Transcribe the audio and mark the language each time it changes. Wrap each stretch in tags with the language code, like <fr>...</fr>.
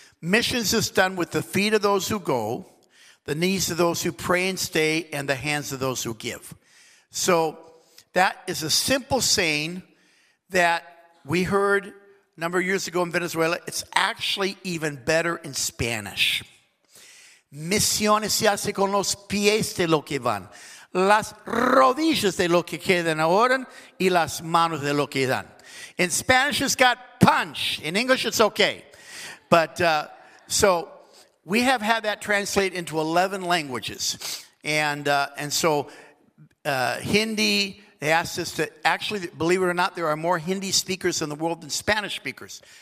<en>Missions is done with the feet of those who go, the knees of those who pray and stay, and the hands of those who give. So that is a simple saying that we heard a number of years ago in Venezuela. It's actually even better in Spanish.</en> <es>Misiones se hace con los pies de lo que van, las rodillas de lo que quedan ahora y las manos de lo que dan.</es> <en>In Spanish, it's got punch. In English, it's okay. But so we have had that translate into 11 languages. And so Hindi, they asked us to, actually, believe it or not, there are more Hindi speakers in the world than Spanish speakers.</en>